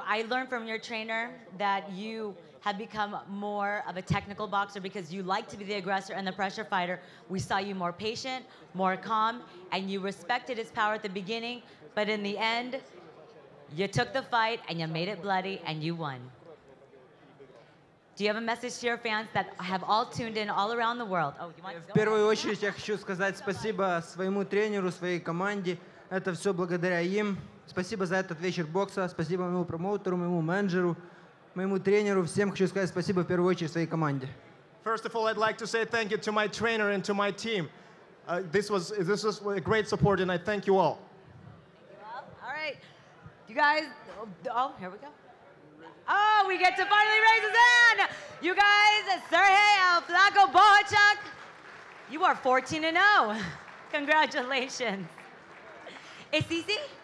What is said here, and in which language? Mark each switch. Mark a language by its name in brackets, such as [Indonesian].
[English] I learned from your trainer that you have become more of a technical boxer because you like to be the aggressor and the pressure fighter. We saw you more patient, more calm, and you respected his power at the beginning, but in the end, you took the fight and you made it bloody and you won. Do you have a message to your fans that have all tuned in all around the world? Oh, you want to? [Russian] В первую очередь я хочу сказать спасибо своему тренеру, своей команде. Это все благодаря им. Спасибо за этот вечер бокса. Спасибо моему промоутеру, моему менеджеру. Моему тренеру всем хочу сказать спасибо в первую очередь своей команде. [English] First of all, I'd like to say thank you to my trainer and to my team. This was a great support, and I thank you all. Thank you all. All right, you guys. Oh, here we go. Oh, we get to finally raise his hand. You guys, Sergey El Flaco Bojack, you are 14-0. Congratulations. It's easy.